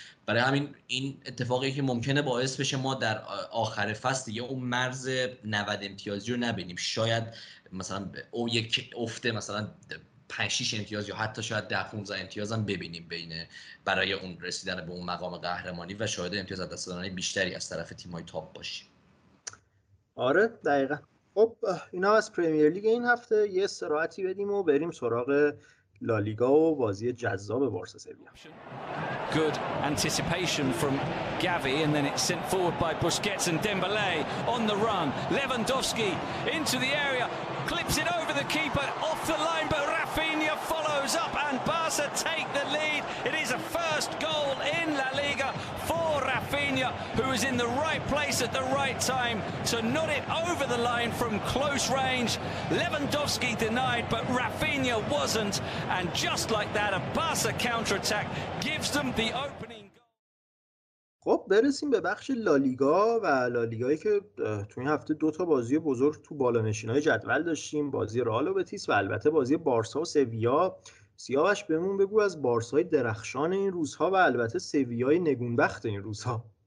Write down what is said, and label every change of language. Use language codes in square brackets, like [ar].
[fa] برای همین این اتفاقی که ممکنه باعث بشه ما در آخر فصل دیگه اون مرز 90 امتیازی رو نبینیم، شاید مثلا او یک افته مثلا 5-6 امتیاز یا حتی شاید 10-15 امتیاز هم ببینیم بین برای اون رسیدن به اون مقام قهرمانی و شاید امتیاز دست دادن بیشتری از طرف تیم‌های تاپ باشیم. آره دقیقاً. خب اینا از پریمیر لیگ این هفته، یه استراحتی بدیم و بریم سراغ لالیگا و بازی جذاب بارسا سویا. [en] Good anticipation from Gavi and then it's sent forward by Busquets and Dembélé on the run. Lewandowski into the area, clips it over the keeper, off the line, but Rafinha follows up and Barca take the lead. It is a first goal in La Liga for Rafinha, who is in the right place at the right time to nod it over the line from close range. Lewandowski denied, but Rafinha wasn't. And just like that, a Barca counter-attack gives them the opening. [fa] خب برسیم به بخش لالیگا و لالیگایی که تو این هفته دوتا بازی بزرگ تو بالانشین‌های جدول داشتیم، بازی رئال و بتیس و البته بازی بارسا و سویا. سیاوش بهمون بگو از بارسای درخشان این روزها و البته سویای نگونبخت این روزها.